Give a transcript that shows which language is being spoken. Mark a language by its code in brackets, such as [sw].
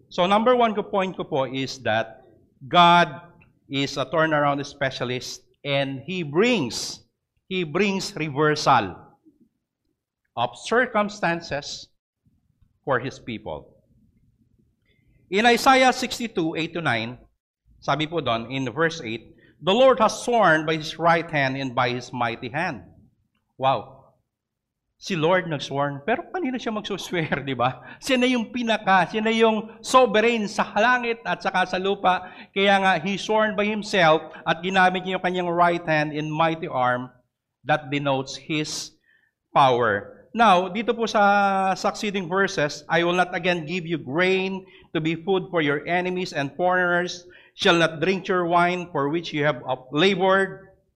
[en] So number one point ko po is that God is a turnaround specialist and he brings reversal of circumstances for His people. In Isaiah 62:8-9, [tl] sabi po doon [en] in verse 8, the Lord has sworn by His right hand and by His mighty hand. [tl] Wow. Si Lord nag-sworn. Pero kanina siya mag-swear, di ba? Siya na yung pinaka, siya na yung sovereign sa langit at saka sa lupa. Kaya nga, [en] He sworn by Himself [tl] at ginamit niya yung kanyang [en] right hand and mighty arm that denotes His power. Now, [tl] dito po sa [en] succeeding verses, I will not again give you grain to be food for your enemies and foreigners, shall not drink your wine for which you have labored.